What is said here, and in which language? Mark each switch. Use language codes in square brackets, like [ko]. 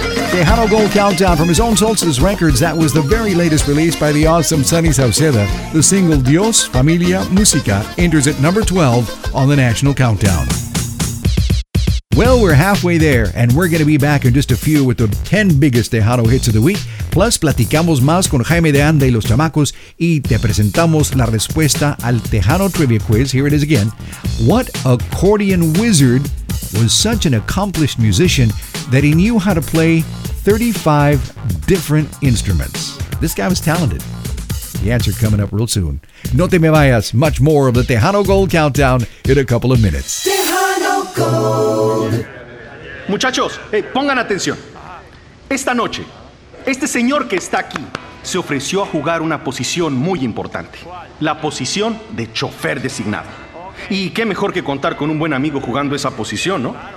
[en] Tejano Gold Countdown from his own Solstice Records. That was the very latest release by the awesome Sonny Sauceda. The single Dios, Familia, Musica enters at number 12 on the National Countdown. Well, we're halfway there, and we're going to be back in just a few with the 10 biggest Tejano hits of the week. [es] Plus, platicamos más con Jaime de Anda y los Chamacos, y te presentamos la respuesta al Tejano Trivia Quiz. [en] Here it is again. What accordion wizard was such an accomplished musician that he knew how to play 35 different instruments? This guy was talented. The answer coming up real soon. [es] No te me vayas. [en] Much more of the Tejano Gold Countdown in a couple of minutes. Tejano Gold. [es] Muchachos, hey, pongan atención. Esta noche, este señor que está aquí se ofreció a jugar una posición muy importante. La posición de chofer designado. Y qué mejor que contar con un buen amigo jugando esa posición, ¿no?